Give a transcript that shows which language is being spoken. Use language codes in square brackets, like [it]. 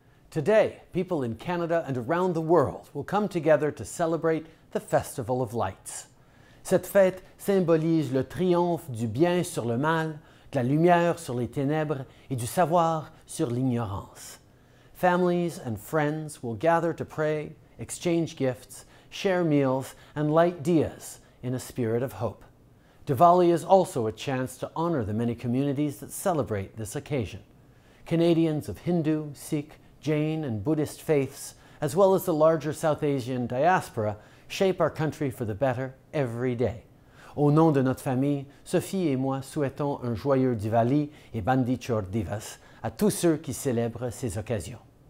[en] Today, people in Canada and around the world will come together to celebrate the Festival of Lights. [fr] Cette fête symbolise le triomphe du bien sur le mal, de la lumière sur les ténèbres et du savoir sur l'ignorance. [en] Families and friends will gather to pray, exchange gifts, share meals, and light diyas in a spirit of hope. Diwali is also a chance to honor the many communities that celebrate this occasion. Canadians of Hindu, Sikh, Jain, and Buddhist faiths, as well as the larger South Asian diaspora, shape our country for the better every day. [fr] Au nom de notre famille, Sophie et moi souhaitons un joyeux Diwali et Bandi Chor Divas à tous ceux qui célèbrent ces occasions.